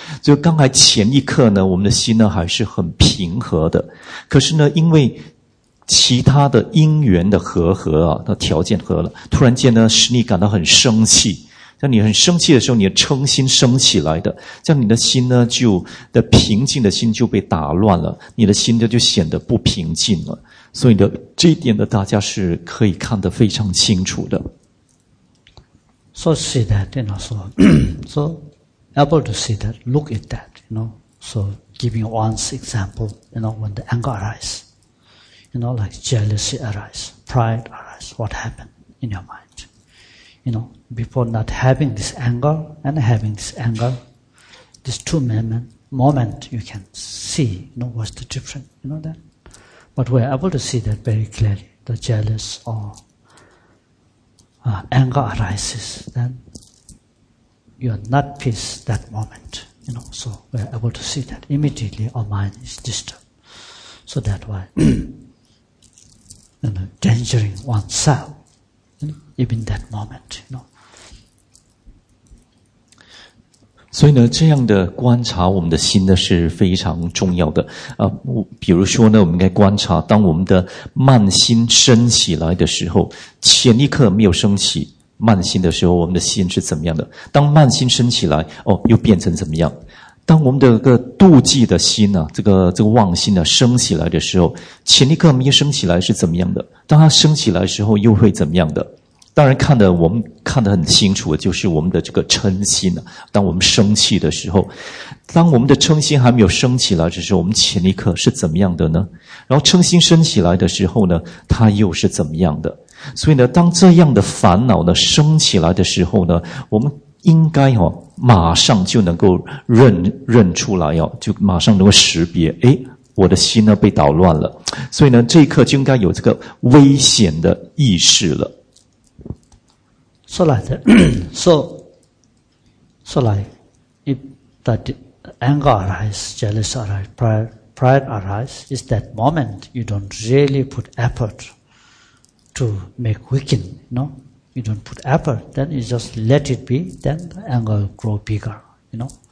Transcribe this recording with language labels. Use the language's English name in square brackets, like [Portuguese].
[Chinese] 就刚才前一刻呢，我们的心呢还是很平和的，可是呢，因为其他的因缘的合啊，那条件合了，突然间呢，使你感到很生气。在你很生气的时候，你的嗔心升起来的，这样你的心呢，就的平静的心就被打乱了，你的心就显得不平静了。所以的这一点呢，大家是可以看得非常清楚的。 [English] So see that, you know, so, so able to see that, look at that, you know. So giving one example, you know, when the anger arises, you know, like jealousy arises, pride arises, what happened in your mind, you know. Before not having this anger and having this anger, these two moments moment you can see, you know, what's the difference, you know that? But we're able to see that very clearly, the jealous or anger arises, then you're not peace that moment, you know, so we're able to see that immediately our mind is disturbed. So that's why, you know, endangering oneself, you know, even that moment, you know. [Chinese] 所以呢，这样的观察我们的心呢是非常重要的。比如说呢，我们应该观察，当我们的慢心升起来的时候，前一刻没有升起慢心的时候，我们的心是怎么样的？当慢心升起来，哦，又变成怎么样？当我们的这个妒忌的心啊，这个妄心呢、啊、升起来的时候，前一刻没有升起来是怎么样的？当它升起来的时候又会怎么样的？当然看得我们看得很清楚的就是我们的这个嗔心、啊、当我们生气的时候，当我们的嗔心还没有升起来的时候，我们前一刻是怎么样的呢？然后嗔心升起来的时候呢，它又是怎么样的？所以呢，当这样的烦恼呢升起来的时候呢，我们应该、哦、马上就能够认出来、哦、就马上能够识别，诶，我的心呢被捣乱了，所以呢这一刻就应该有这个危险的意识了。 [English] So like that, so like, if that anger arises, jealousy arises, pride arises, is that moment you don't really put effort to make weaken, you know? You don't put effort, then you just let it be, then the anger will grow bigger, you know?